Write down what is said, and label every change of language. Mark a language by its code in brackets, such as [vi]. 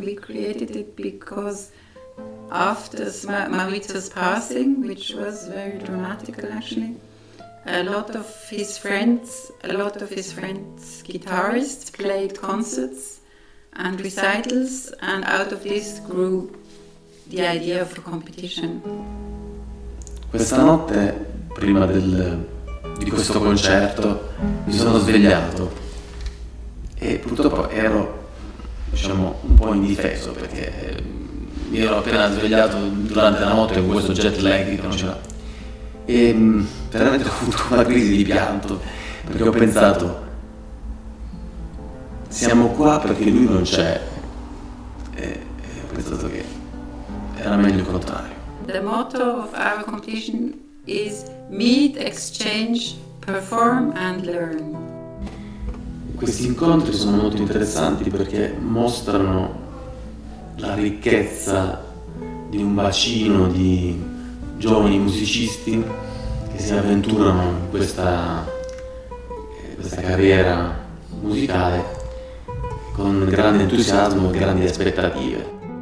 [en] We created it because after Maurizio's passing, which was very dramatic actually, a lot of his friends guitarists played concerts and recitals, and out of this grew the idea of a competition. [it] Questa notte, prima di questo concerto, mi sono svegliato e purtroppo ero, diciamo, un po' indifeso perché mi ero appena svegliato durante la notte con questo jet lag che non c'era. E veramente ho avuto una crisi di pianto perché ho pensato: siamo qua perché lui non c'è. E ho pensato che era meglio il contrario. [en] The motto of our competition is meet, exchange, perform and learn. [it] Questi incontri sono molto interessanti perché mostrano la ricchezza di un bacino di giovani musicisti che si avventurano in questa carriera musicale con grande entusiasmo e grandi aspettative.